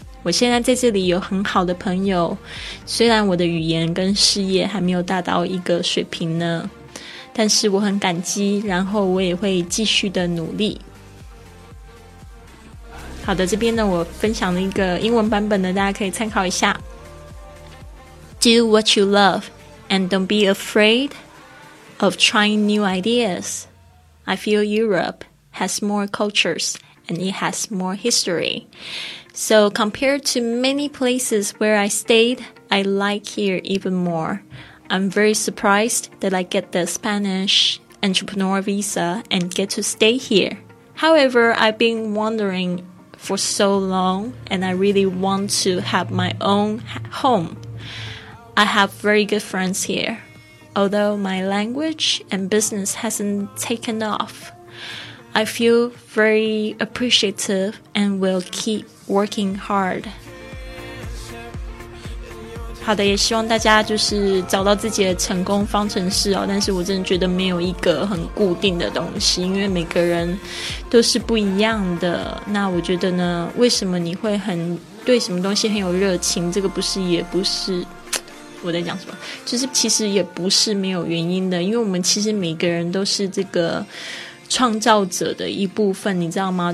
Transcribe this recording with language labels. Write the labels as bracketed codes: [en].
[zh] 我现在在这里有很好的朋友，虽然我的语言跟事业还没有达到一个水平呢，但是我很感激，然后我也会继续的努力。好的，这边呢我分享了一个英文版本的，大家可以参考一下。 [en] Do what you love and don't be afraid of trying new ideas. I feel Europe has more cultures and it has more history. So compared to many places where I stayed, I like here even more. I'm very surprised that I get the Spanish entrepreneur visa and get to stay here. However, I've been wondering... for so long, and I really want to have my own home. I have very good friends here, although my language and business hasn't taken off. I feel very appreciative and will keep working hard. [zh] 好的，也希望大家就是找到自己的成功方程式哦。但是我真的觉得没有一个很固定的东西，因为每个人都是不一样的。那我觉得呢，为什么你会很对什么东西很有热情，这个不是也不是，我在讲什么，就是其实也不是没有原因的，因为我们其实每个人都是这个创造者的一部分，你知道吗？